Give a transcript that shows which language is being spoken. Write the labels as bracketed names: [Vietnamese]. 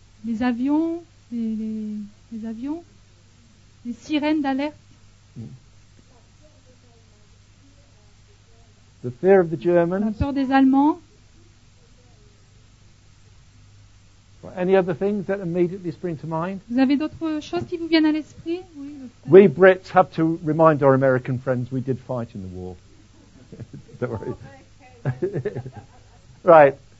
[French] Les avions, les avions. Les sirènes d'alerte. Mm. [English] The fear of the Germans. [French] La peur des Allemands. [English] Any other things that immediately spring to mind? [French] Vous avez d'autres choses qui vous viennent à l'esprit? [English] Oui, we Brits have to remind our American friends we did fight in the war. Don't worry. Right.